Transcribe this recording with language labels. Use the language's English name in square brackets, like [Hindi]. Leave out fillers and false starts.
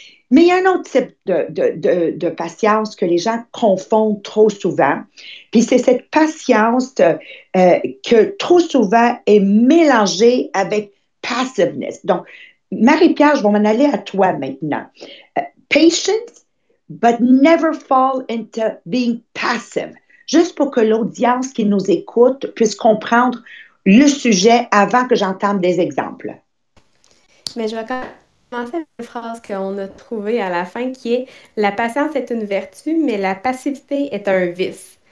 [French] Mais il y a un autre type de patience que les gens confondent trop souvent. Puis c'est cette patience que trop souvent est mélangée avec passiveness. Donc, Marie-Pierre, je vais m'en aller à toi maintenant. [English] Patience, but never fall into being passive. [French] Juste pour que l'audience qui nous écoute puisse comprendre le sujet avant que j'entame des exemples. Mais je vais quand même commencer avec une phrase qu'on a trouvée à la fin qui est « La patience est une vertu, mais la passivité est un vice.